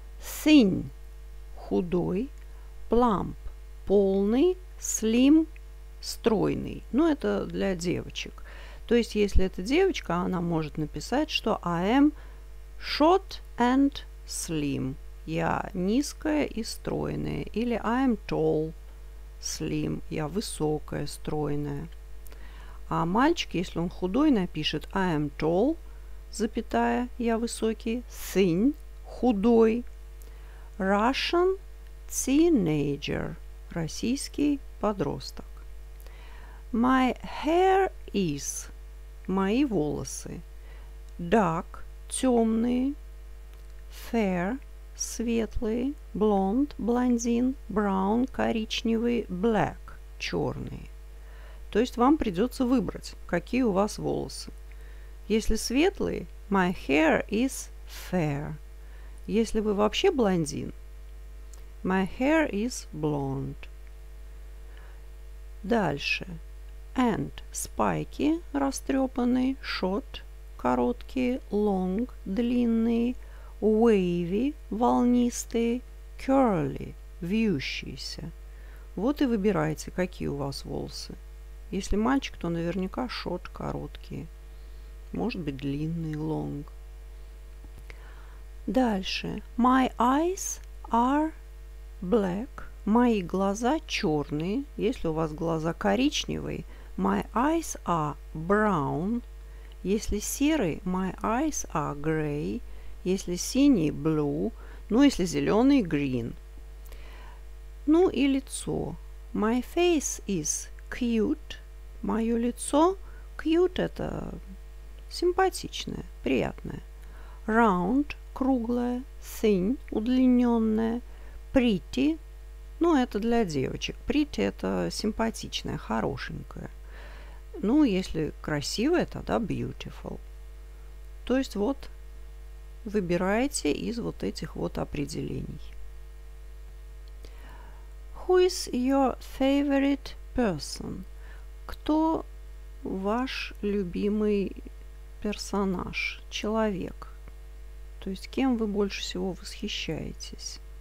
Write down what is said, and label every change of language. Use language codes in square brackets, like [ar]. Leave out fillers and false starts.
[en] Thin, худой, plump, полный, slim, стройный. [ru] Ну, это для девочек. То есть, если это девочка, она может написать, что [en] I am short and slim. [ru] Я низкая и стройная. [en] Или I am tall, slim. [ru] Я высокая, стройная. А мальчик, если он худой, напишет [en] I am tall, [ru] запятая, я высокий. [en] Thin, худой. Russian teenager, [ru] российский подросток. [en] My hair is, [ru] мои волосы, [en] dark, темные, fair, светлые, blonde, блондин, brown, коричневый, black, черные. [ru] То есть вам придется выбрать, какие у вас волосы. Если светлые, [en] my hair is fair. [ru] Если вы вообще блондин, [en] my hair is blonde. [ru] Дальше. And – спайки, растрёпанные, short – короткие, long – длинные, wavy – волнистые, curly – вьющиеся. Вот и выбирайте, какие у вас волосы. Если мальчик, то наверняка short – короткие. Может быть, длинные – long. [en] Дальше. My eyes are black. [ru] Мои глаза черные. Если у вас глаза коричневые, [en] my eyes are brown. [ru] Если серый, [en] my eyes are gray. [ru] Если синий, blue. Ну, если зеленый, green. Ну и лицо. [en] My face is cute. [ru] Мое лицо cute – это симпатичное, приятное. Round – круглое. Thin – удлиненное. Pretty – ну, это для девочек. Pretty – это симпатичное, хорошенькое. Ну, если красивое, тогда beautiful. То есть, вот, выбираете из вот этих вот определений. [en] Who is your favorite person? [ru] Кто ваш любимый персонаж, человек? То есть, кем вы больше всего восхищаетесь?